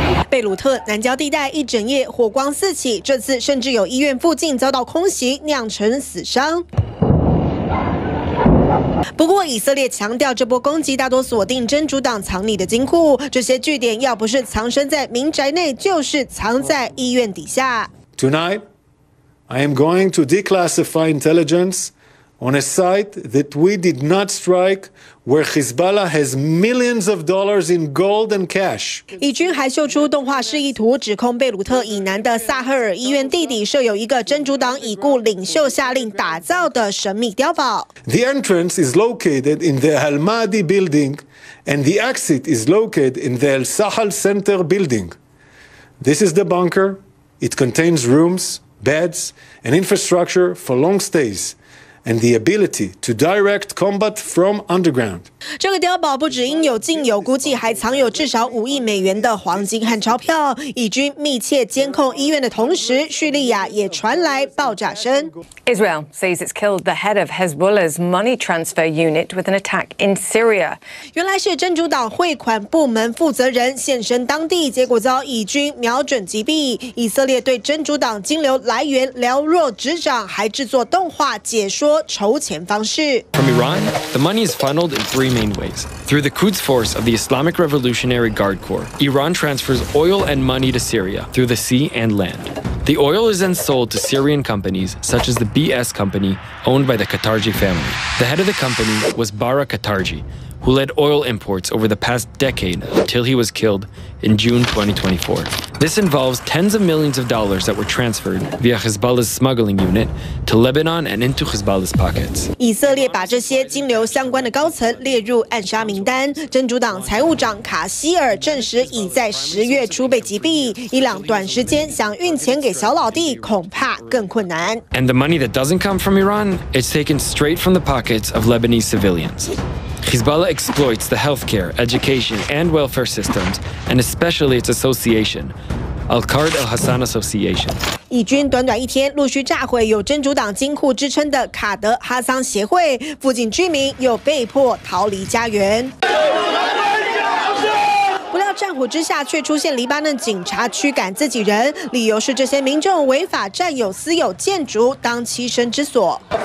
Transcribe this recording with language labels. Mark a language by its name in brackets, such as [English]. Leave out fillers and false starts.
[Chinese] 贝鲁特南郊地带一整夜火光四起，这次甚至有医院附近遭到空袭酿成死伤。不过以色列强调，这波攻击大多锁定真主党藏匿的金库，这些据点要不是藏身在民宅内，就是藏在医院底下。 [English] Tonight I am going to declassify intelligence on a site that we did not strike, where Hezbollah has millions of dollars in gold and cash. [Chinese] 以军还秀出动画示意图，指控贝鲁特以南的萨赫尔医院地底设有一个真主党已故领袖下令打造的神秘碉堡。 [English] The entrance is located in the Al-Mahdi building, and the exit is located in the Al-Sahal Center building. This is the bunker. It contains rooms, beds, and infrastructure for long stays. And the ability to direct combat from underground. [Chinese] 这个碉堡不止应有尽有，估计还藏有至少5亿美元的黄金和钞票。以军密切监控医院的同时，叙利亚也传来爆炸声。 [English] Israel says it's killed the head of Hezbollah's money transfer unit with an attack in Syria. [Chinese] 原来是真主党汇款部门负责人现身当地，结果遭以军瞄准击毙。以色列对真主党金流来源了若指掌，还制作动画解说。 [English] From Iran, the money is funneled in three main ways. Through the Quds Force of the Islamic Revolutionary Guard Corps, Iran transfers oil and money to Syria through the sea and land. The oil is then sold to Syrian companies such as the BS company owned by the Qatarji family. The head of the company was Bara Qatarji, who led oil imports over the past decade until he was killed in June 2024. This involves tens of millions of dollars that were transferred via Hezbollah's smuggling unit to Lebanon and into Hezbollah's pockets. [Chinese] 以色列把这些金流相关的高层列入暗杀名单。真主党财务长卡希尔证实已在10月初被击毙。伊朗短时间想运钱给小老弟，恐怕更困难。 [English] And the money that doesn't come from Iran, it's taken straight from the pockets of Lebanese civilians. Hezbollah exploits the healthcare, education, and welfare systems, and especially its association, Al-Qaeda Al-Hassan Association. [Chinese] 以军短短一天陆续炸毁有真主党金库之称的卡德哈桑协会，附近居民又被迫逃离家园。不料战火之下，却出现黎巴嫩警察驱赶自己人，理由是这些民众违法占有私有建筑当栖身之所。